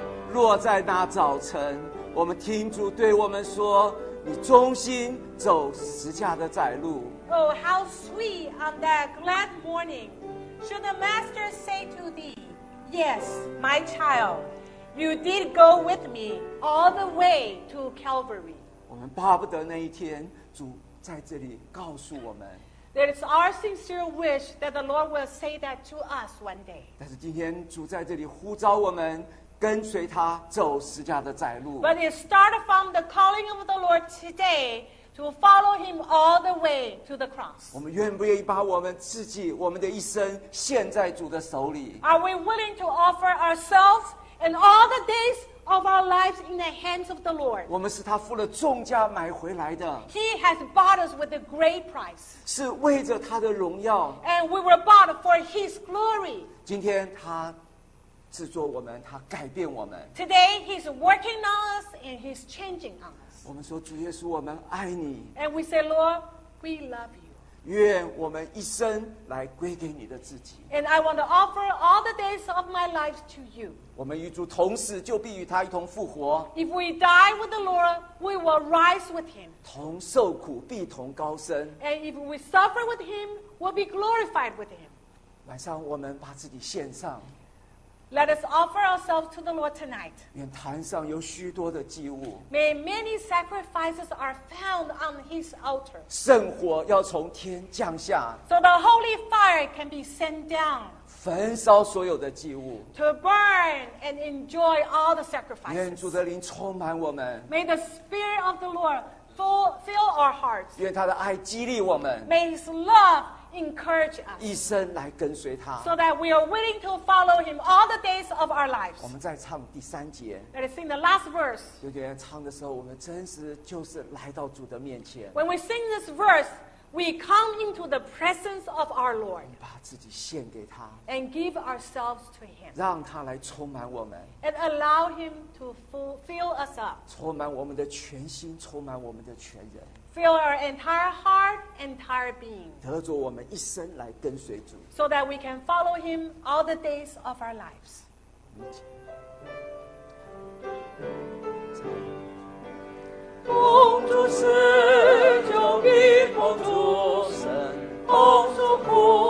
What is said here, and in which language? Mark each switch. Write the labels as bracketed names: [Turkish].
[Chinese] 落在那早晨，我们听主对我们说：“你忠心走十架的窄路。” [English] Oh, how sweet on that glad morning should the master say to thee, "Yes, my child, you did go with me all the way to Calvary." [Chinese] 我们巴不得那一天主在这里告诉我们。 [English] That it's our sincere wish that the Lord will say that to us one day. [Chinese] 但是今天主在这里呼召我们。跟随他走十架的窄路。 [English] But it started from the calling of the Lord today to follow him all the way to the cross. [Chinese] 我们愿不愿意把我们自己、我们的一生献在主的手里？ [English] Are we willing to offer ourselves and all the days of our lives in the hands of the Lord? [Chinese] 我们是他付了重价买回来的。 [English] He has bought us with a great price. [Chinese] 是为着他的荣耀。 [English] And we were bought for his glory. [Chinese] 今天他制作我们，他改变我们。 [English] Today he's working on us and he's changing on us. [Chinese] 我们说主耶稣，我们爱你。 [English] And we say, Lord, we love you. [Chinese] 愿我们一生来归给你的自己。 [English] And I want to offer all the days of my life to you. [Chinese] 我们与主同死，就必与他一同复活。 [English] If we die with the Lord, we will rise with him. [Chinese] 同受苦，必同高升。 [English] And if we suffer with him, we'll be glorified with him. [Chinese] 晚上我们把自己献上。 [English] Let us offer ourselves to the Lord tonight. [Chinese] 愿坛上有许多的祭物。 [English] May many sacrifices are found on his altar. [Chinese] 圣火要从天降下。 [English] So the holy fire can be sent down. [Chinese] 焚烧所有的祭物。 [English] To burn and enjoy all the sacrifices. [Chinese] 愿主的灵充满我们。 [English] May the spirit of the Lord fill our hearts. [Chinese] 愿他的爱激励我们。 [English] May his love encourage us, [Chinese] 一生来跟随他 [English] so that we are willing to follow him all the days of our lives. [Chinese] 我们再唱第三节 [English] Let us sing the last verse. [Chinese] 有点唱的时候，我们真实就是来到主的面前 [English] When we sing this verse, we come into the presence of our Lord. [Chinese] 把自己献给他 [English] and give ourselves to him. [Chinese] 让他来充满我们 [English] and allow him to fill us up. [Chinese] 充满我们的全心，充满我们的全人。 [English] Fill our entire heart, entire being. [Chinese] 得着我们一生来跟随主。 [English] So that we can follow him all the days of our lives. [Chinese] 同主死就必同主生，同受苦